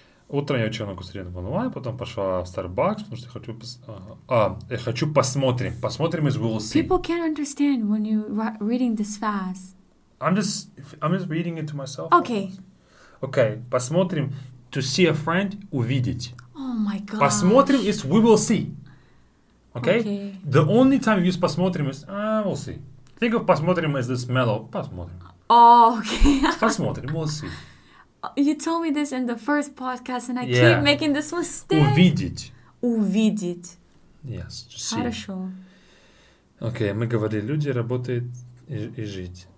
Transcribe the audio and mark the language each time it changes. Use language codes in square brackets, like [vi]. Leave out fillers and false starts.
[ru] Утро я учил на Кустрин в онлайн, потом пошла в Starbucks, потому что хочу... я хочу посмотрим. Посмотрим из Google C. [en] People can't understand when you're reading this fast. I'm just reading it to myself. Okay. Okay, посмотрим. To see a friend, увидеть. Oh my god. Посмотрим is we will see. Okay? The only time you use посмотрим is, we'll see. Think of посмотрим as this mellow. Посмотрим. Oh, okay. Посмотрим, we'll see. You told me this in the first podcast and I keep making this mistake. Увидеть. Yes, to see. [ru] Хорошо. Okay, мы говорили, люди работают и жить.